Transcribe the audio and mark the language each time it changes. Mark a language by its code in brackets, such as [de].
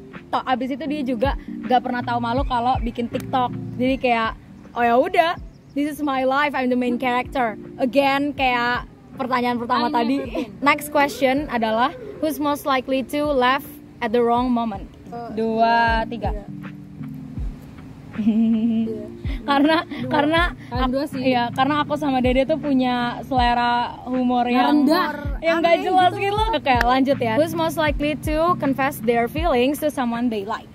[id] Toh abis itu dia juga gak pernah tahu malu kalau bikin TikTok. Jadi kayak, oh ya udah, [en] this is my life, I'm the main character. Again, [id] kayak pertanyaan pertama tadi. [en] Next question [id] adalah, [en] who's most likely to laugh at the wrong moment? [id] Dua, tiga. Karena dua sih. Iya, karena aku sama Dede tuh punya selera humor yang gak jelas gitu loh. Oke, lanjut ya. [en] Who's most likely to confess their feelings to someone they like?